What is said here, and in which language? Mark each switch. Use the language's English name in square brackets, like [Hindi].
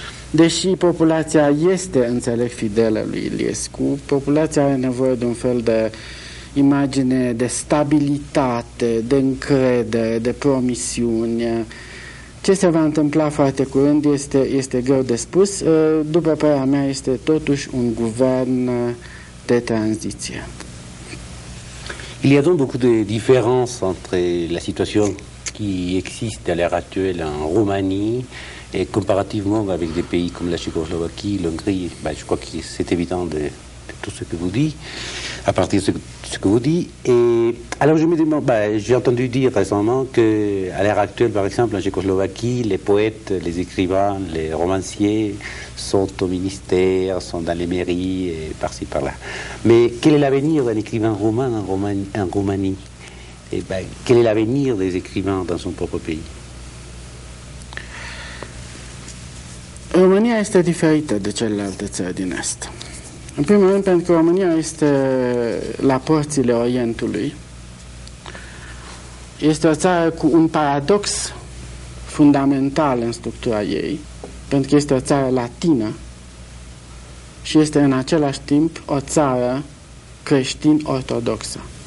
[Romanian] Deși populația este, înțeleg, fidelă lui Iliescu, populația are nevoie de un fel de imagine de stabilitate, de încredere, de promisiune. Ce se va întâmpla foarte curând este greu de spus. După părerea mea, este totuși un guvern de tranziție. [French] Il y a donc beaucoup de différences entre la situation qui existe à l'heure actuelle en Roumanie et comparativement avec des pays comme la Tchécoslovaquie, l'Hongrie. Ben, je crois que c'est évident de tout ce que vous dites, à partir de ce que vous dites. Et alors je me demande, j'ai entendu dire récemment que à l'heure actuelle, par exemple, en Tchécoslovaquie, les poètes, les écrivains, les romanciers sont au ministère, sont dans les mairies, et par-ci, par-là. Mais quel est l'avenir d'un écrivain roumain en Roumanie? Et ben, quel est l'avenir des écrivains dans son propre pays? [Romanian] România este diferită de celelalte țări din Est. În primul rând, pentru că România este la porțile Orientului. Este o țară cu un paradox fundamental în structura ei, pentru că este o țară latină și este în același timp o țară creștin-ortodoxă.